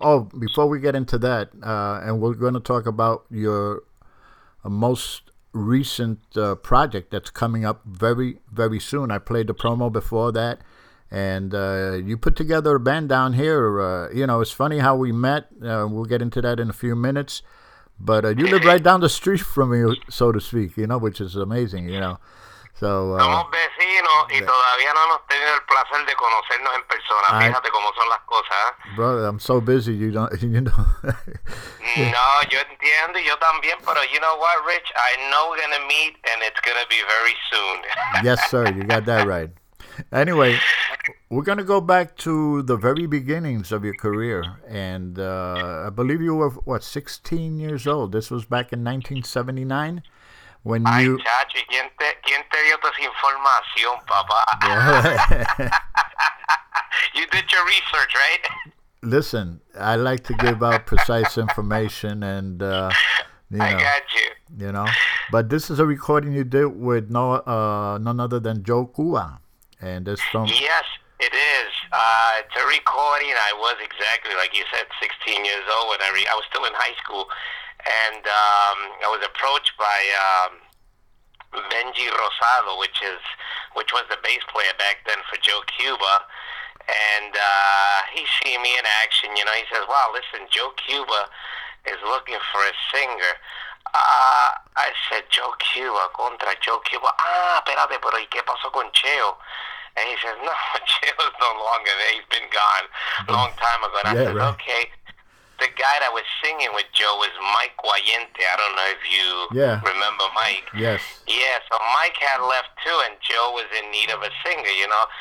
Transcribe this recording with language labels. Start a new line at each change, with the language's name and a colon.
English: Oh, before we get into that, and we're going to talk about your most recent project that's coming up very, very soon. I played the promo before that. And you put together a band down here. You know, it's funny how we met. We'll get into that in a few minutes. But you live right down the street from me, so to speak, you know, which is amazing, you know.
Spanish: Somos vecinos y todavía no hemos tenido el placer de conocernos en persona. Fíjate cómo son las cosas.
English: Brother, I'm so busy, you know.
Spanish: No, yo entiendo, yo también, pero
English: you know what,
Spanish: Rich?
English: I know we're going to meet and it's going to be very soon. Yes, sir, you got that right. Anyway, we're going to go back to the very beginnings of your career. And I believe you were, 16 years old. This was back in 1979. When
Spanish: Ay,
English: you,
Spanish: chacho, ¿quién te dio toda esa información, papá?
English: You did your research, right? Listen, I like to give out precise information and, you know. But this is a recording you did with none other than Joe Cuba. And it's from... Yes, it is. It's a recording. I was exactly, like you said, 16 years old when I was still in high school. And I was approached by Benji Rosado, which was the bass player back then for Joe Cuba. And he seen me in action, you know. He says, "Wow, listen, Joe Cuba is looking for a singer." I said, "Joe Cuba, contra Joe Cuba.
Spanish: Ah, espérate, pero ¿y qué pasó con Cheo?"
English: And he says, "No, Cheo's no longer there. He's been gone a long time ago." And I said, "Okay." The guy that was singing with Joe was Mike Guayente. I don't know if you remember Mike. Yes. Yeah, so Mike had left too, and Joe was in need of a singer, you know.